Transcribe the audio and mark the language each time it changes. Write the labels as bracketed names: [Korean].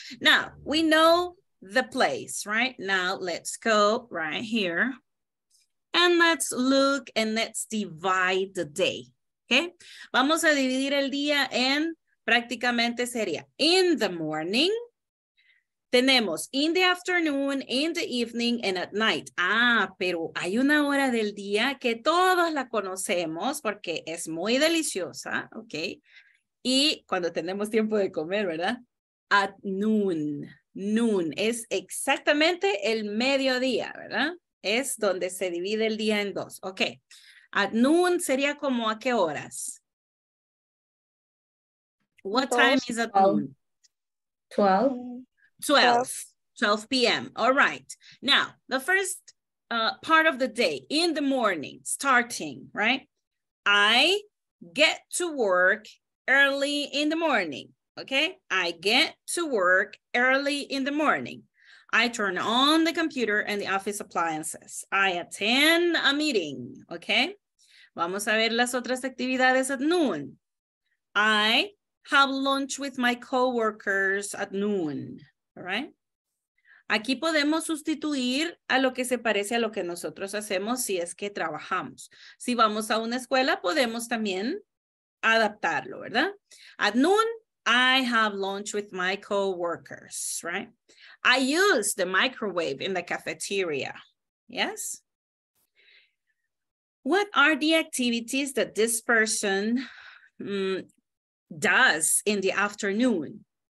[English] Now, we know the place, right? Now, let's go right here. And let's look and let's divide the day. Okay? [Spanish] Vamos a dividir el día en prácticamente sería [English] in the morning. [Spanish] Tenemos [English] in the afternoon, in the evening, and at night. [Spanish] Ah, pero hay una hora del día que todos la conocemos porque es muy deliciosa, ¿ok? Y cuando tenemos tiempo de comer, ¿verdad? [English] At noon. [Spanish] Noon es exactamente el mediodía, ¿verdad? Es donde se divide el día en dos. Ok. [English] At noon [Spanish] sería como ¿a qué horas? [English] What time is at noon? 12 p.m. All right. Now, the first part of the day, in the morning, starting, right? I get to work early in the morning, okay? I get to work early in the morning. I turn on the computer and the office appliances. I attend a meeting, okay? [Spanish] Vamos a ver las otras actividades [English] at noon. I have lunch with my coworkers at noon. All right. [Spanish] Aquí podemos sustituir a lo que se parece a lo que nosotros hacemos si es que trabajamos. Si vamos a una escuela, podemos también adaptarlo, ¿verdad? [English] At noon, I have lunch with my coworkers, right? I use the microwave in the cafeteria. Yes? What are the activities that this person does in the afternoon?